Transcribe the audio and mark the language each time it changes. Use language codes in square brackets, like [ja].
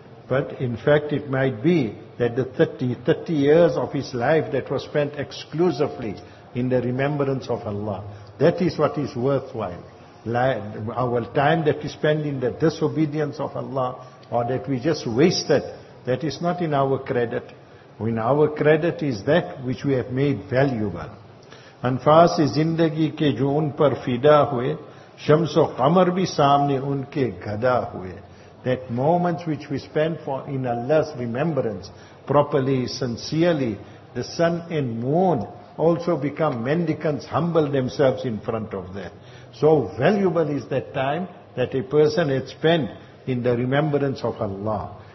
[en] But in fact, it might be that the 30 years of his life that was spent exclusively in the remembrance of Allah, that is what is worthwhile. Our time that we spend in the disobedience of Allah, or that we just wasted, that is not in our credit. In our credit is that which we have made valuable. [ur] انفاس زندگی کے جو ان پر فدا ہوئے، شمس و قمر بھی سامنے ان کے گدا ہوئے، [en] that moments which we spend for in Allah's remembrance, properly, sincerely, the sun and moon also become mendicants, humble themselves in front of them. So valuable is that time that a person had spent in the remembrance of Allah.